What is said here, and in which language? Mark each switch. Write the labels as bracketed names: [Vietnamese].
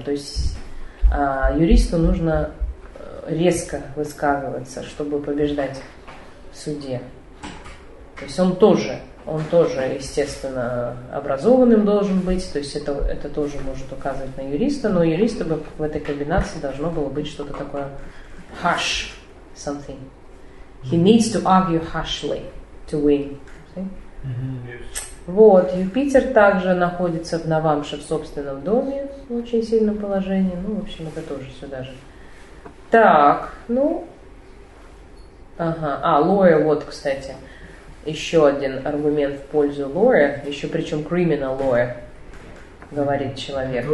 [Russian] То есть юристу нужно резко высказываться, чтобы побеждать в суде. То есть он тоже, естественно, образованным должен быть. То есть это тоже может указывать на юриста. Но юриста бы в этой комбинации должно было быть что-то такое [English] harsh something. He needs to argue harshly to win. Mm-hmm, yes. [Russian] Вот, Юпитер также находится в Навамше, в собственном доме, в очень сильном положении. Ну, в общем, это тоже сюда же. Так, ну... Ага, а, lawyer, вот, кстати, еще один аргумент в пользу lawyer, еще причем criminal lawyer, говорит человек.